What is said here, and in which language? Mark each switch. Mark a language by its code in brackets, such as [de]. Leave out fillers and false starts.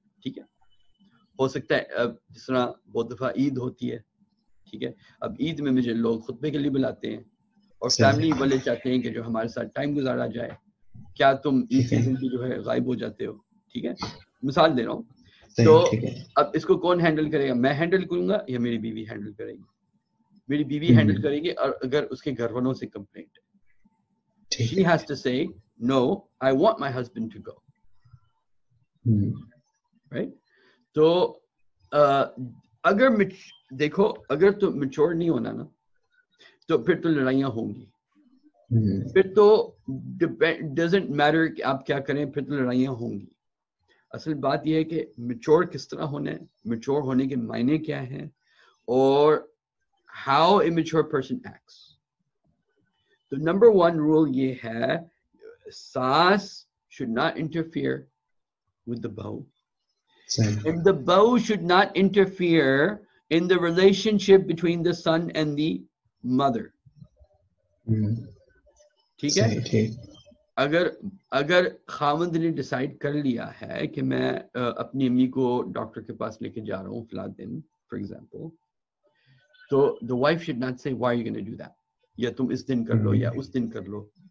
[ur] ٹھیک ہے, ہو سکتا ہے جس طرح بہت دفعہ عید ہوتی ہے, ٹھیک ہے, اب عید میں مجھے لوگ خطبے کے لیے بلاتے ہیں اور فیملی والے چاہتے ہیں کہ جو ہمارے ساتھ ٹائم گزارا جائے, کیا تم عید کے دن بھی جو ہے غائب ہو جاتے ہو؟ ٹھیک ہے, مثال دے رہا ہوں. تو اب اس کو کون ہینڈل کرے گا, میں ہینڈل کروں گا یا میری بیوی ہینڈل کرے گی؟ میری بیوی ہینڈل کرے گی, اور اگر اس کے گھر والوں سے complaint, [en] she has to say no, I want my husband to go. Right? [ur] تو اگر دیکھو, اگر تو میچور نہیں ہونا نا, تو پھر تو لڑائیاں ہوں گی. پھر تو [en] doesn't matter [ur] کہ آپ کیا کریں, پھر تو لڑائیاں ہوں گی. اصل بات یہ ہے کہ میچور کس طرح ہونا ہے, میچور ہونے کے معنی کیا ہیں, اور [en] how a mature person acts. The number one rule یہ ہے, saas should not interfere with the bahu, and the bahu should not interfere in the relationship between the son and the mother. [ur] ٹھیک ہے, اگر خاوند نے ڈیسائیڈ کر لیا ہے کہ میں اپنی امی کو ڈاکٹر کے پاس لے کے جا رہا ہوں فلا دن [en] for example, [ur] تو [en] the wife should not say why you gonna do that, [ur] یا تم اس دن کر لو یا اس دن کر لو.